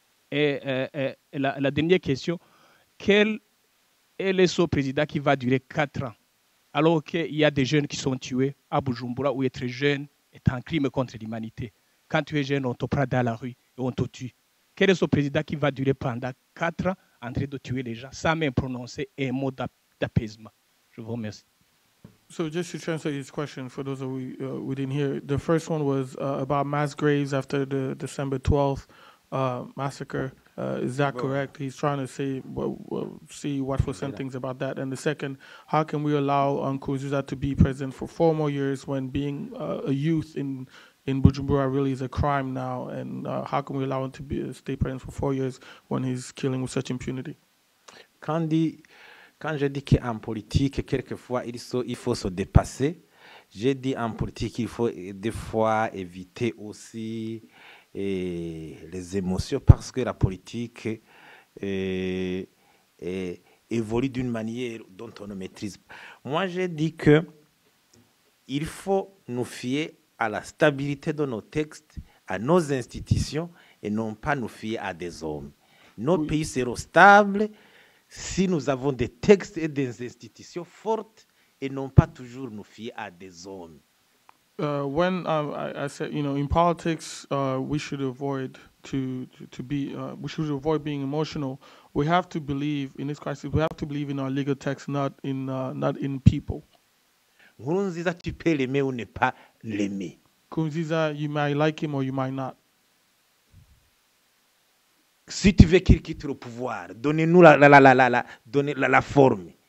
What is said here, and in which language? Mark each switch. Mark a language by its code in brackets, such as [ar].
[fr] Et la dernière question, quel est le président qui va durer 4 ans alors qu'il y a des jeunes qui sont tués à Bujumbura où être jeune est un crime contre l'humanité? Quand tu es jeune, on te prend dans la rue et on te tue. Quel est ce président qui va durer pendant 4 ans en train de tuer les gens sans même prononcer un mot d'apaisement? Je vous remercie. [en] So just to translate his question for those of you who didn't hear, the first one was about mass graves after the December 12th massacre. Is that correct? He's trying to say, see what for some things about that. And the second, how can we allow Nkurunziza to be president for 4 more years when being a youth in Bujumbura really is a crime now? And how can we allow him to be stay president for 4 years when he's killing with such impunity? [fr] Quand je dis qu'en politique, quelquefois, il faut se dépasser, j'ai dit en politique qu'il faut des fois éviter aussi les émotions parce que la politique évolue d'une manière dont on ne maîtrise pas. Moi, j'ai dit qu'il faut nous fier à la stabilité de nos textes, à nos institutions et non pas nous fier à des hommes. Nos oui. pays seront stables si nous avons des textes et des institutions fortes et non pas toujours nous fier à des hommes. [en] When I said, you know, in politics, we should avoid we should avoid being emotional. We have to believe in this crisis. We have to believe in our legal texts, not in people. [fr] Nkurunziza, tu peux l'aimer ou ne pas l'aimer. [en] Nkurunziza, you might like him or you might not. [fr] Si tu veux qu'il quitte le pouvoir, donnez-nous la forme.